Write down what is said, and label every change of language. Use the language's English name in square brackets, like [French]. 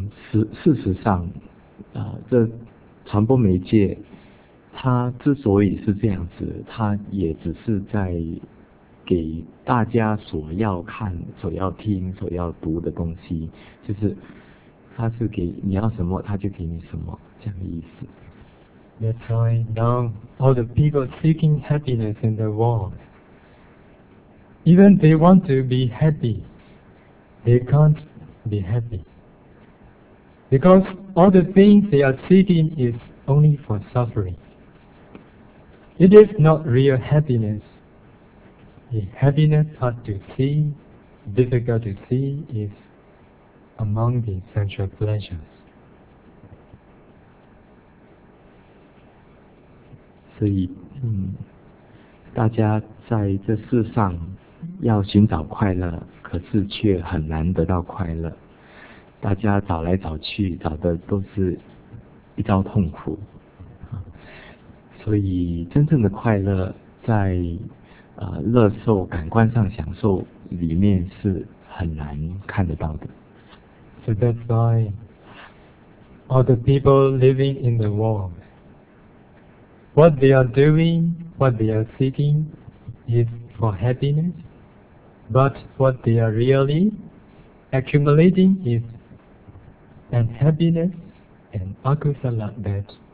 [Chinese] 事实上，这传播媒介，它之所以是这样子，它也只是在给大家所要看、所要听、所要读的东西，就是它是给你要什么，它就给你什么，这样的意思。 [English] That's why now all the people seeking happiness in the world, even they want to be happy, they can't be happy. Because all the things they are seeking is only for suffering. It is not real happiness. The happiness hard to see, difficult to see, is among the sensual pleasures. [Chinese] 所以，大家在这世上要寻找快乐，可是却很难得到快乐。大家找来找去，找的都是一遭痛苦。所以，真正的快乐在乐受感官上享受里面是很难看得到的。 [English] So that's why all the people living in the world. What they are doing, what they are seeking is for happiness, but what they are really accumulating is unhappiness and akusala like that.